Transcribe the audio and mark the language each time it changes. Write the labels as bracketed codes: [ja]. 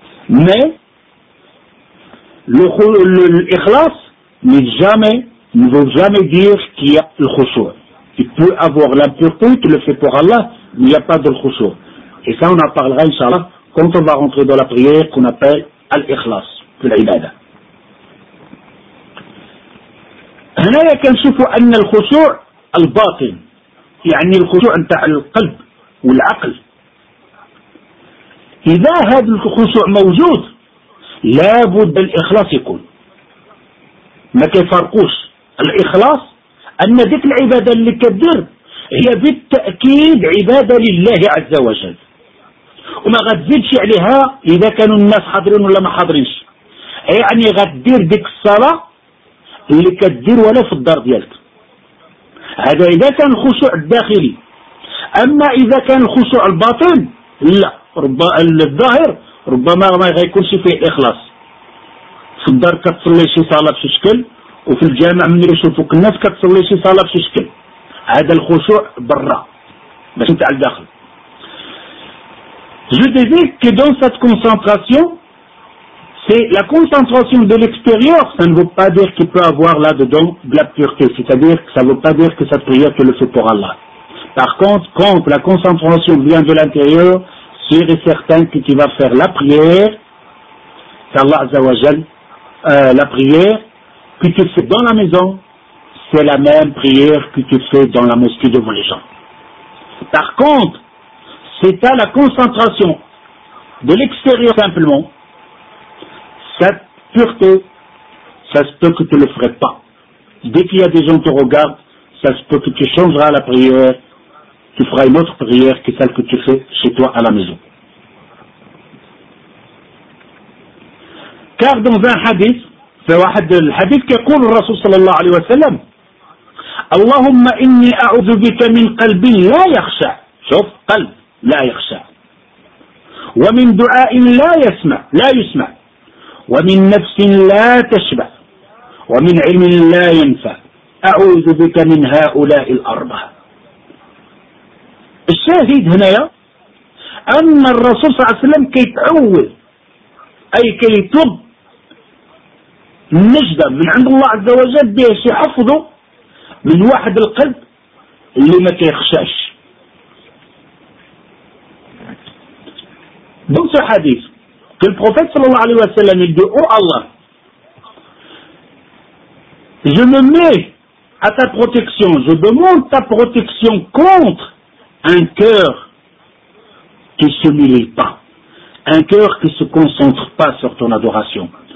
[fr] Mais l'ikhlas ne veut jamais dire qu'il y a le khushu. Tu peux avoir l'impureté, tu le fais pour Allah, mais il n'y a pas de khushu. Et ça on en parlera, inshallah, quand on va rentrer dans la prière qu'on appelle al-ikhlas. [ar] هنا كنشوفوا أن الخشوع الباطن يعني الخشوع نتاع القلب والعقل. إذا هذا الخشوع موجود لابد الإخلاص يكون. ما كيفرقوش الإخلاص أن ديك العبادة اللي كدير هي بالتأكيد عبادة لله عز وجل وما غتزيدش عليها إذا كانوا الناس حاضرين ولا ما حاضرينش. يعني غدير ديك الصلاة اللي كدير ولا في الدار ديالك. هذا إذا كان الخشوع الداخلي. أما إذا كان الخشوع الباطن لا الظاهر ربما ما غيكونش فيه إخلاص. في الدار كتصلي شي صلاة بشي شكل وفي الجامع من يشوفوك الناس كتصلي شي صلاة بشي شكل. هذا الخشوع برا باش نتاع الداخل. [fr] Je disais que dans cette concentration c'est la concentration de l'extérieur, ça ne veut pas dire qu'il peut avoir là-dedans de la pureté, c'est-à-dire que ça ne veut pas dire que cette prière tu le fais pour Allah. Par contre, quand la concentration vient de l'intérieur, sûr et certain que tu vas faire la prière, qu'Allah Azzawajal, la prière que tu fais dans la maison, c'est la même prière que tu fais dans la mosquée devant les gens. Par contre, c'est à la concentration de l'extérieur simplement, cette pureté, ça se peut que tu ne le ferais pas. Dès qu'il y a des gens qui te regardent, ça se peut que tu changeras la prière, tu feras une autre prière que celle que tu fais chez toi à la maison. Car dans un hadith, c'est un hadith qui dit le Rasoul sallallahu alayhi wa sallam, [ar] اللهم إني أعوذ بك من قلب لا يخشى شوف قلب لا يخشى ومن دعاء لا يسمع لا يسمع ومن نفس لا تشبع ومن علم لا ينفع أعوذ بك من هؤلاء الأربعة. الشاهد هنا أن الرسول صلى الله عليه وسلم كيتعوذ أي كيطلب نجدة من عند الله عز وجل باش يحفظه من واحد القلب اللي ما كيخشاش. دونك حديث كل بروفيت صلى الله عليه وسلم يدعو الله [fr] je me mets à ta protection, je demande ta protection contre un cœur qui ne s'humilie pas, un cœur qui ne se concentre pas sur ton adoration.